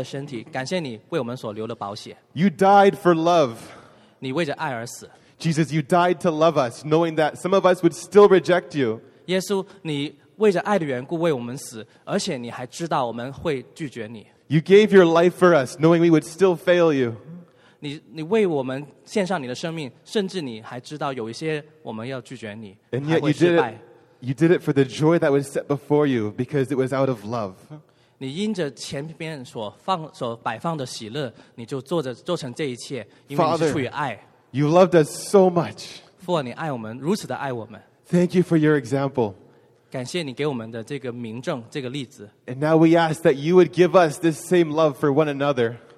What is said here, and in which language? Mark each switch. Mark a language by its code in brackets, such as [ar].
[zh] 我感谢你被剥开的身体，感谢你为我们所流的宝血。 [en] You died for love. [zh] 你为着爱而死。 [en] Jesus, you died to love us, knowing that some of us would still reject you. [zh] 耶稣，你为着爱的缘故为我们死，而且你还知道我们会拒绝你。 [en] You gave your life for us, knowing we would still fail you. [zh] 你为我们献上你的生命，甚至你还知道有一些我们要拒绝你。 [en] And yet you did it for the joy that was set before you, because it was out of love. [zh] 你因着前面所摆放的喜乐，你就做成这一切，因为你是出于爱。 [en] Father, you loved us so much. [zh] 父啊，你爱我们，如此的爱我们。 [en] Thank you for your example. [zh] 感谢你给我们的这个名证，这个例子。 [en] And now we ask that you would give us this same love for one another.